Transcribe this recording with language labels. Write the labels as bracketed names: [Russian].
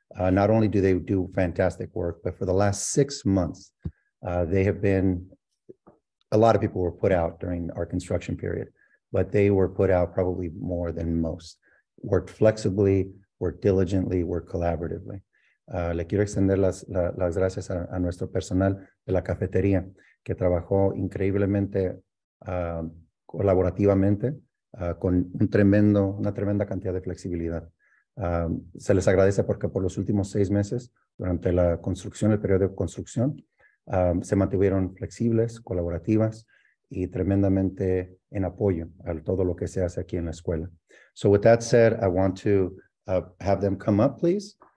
[English] Not only do they do fantastic work, but for the last 6 months, they have been, a lot of people were put out during our construction period. But they were put out probably more than most. Worked flexibly, worked diligently, worked collaboratively. [Spanish] Le quiero extender las gracias a nuestro personal de la cafetería que trabajó increíblemente colaborativamente con una tremenda cantidad de flexibilidad. Se les agradece porque por los últimos 6 meses durante la construcción, el periodo de construcción, se mantuvieron flexibles, colaborativas, y tremendamente en apoyo a todo lo que se hace aquí en la escuela. [English] So with that said, I want to have them come up, please.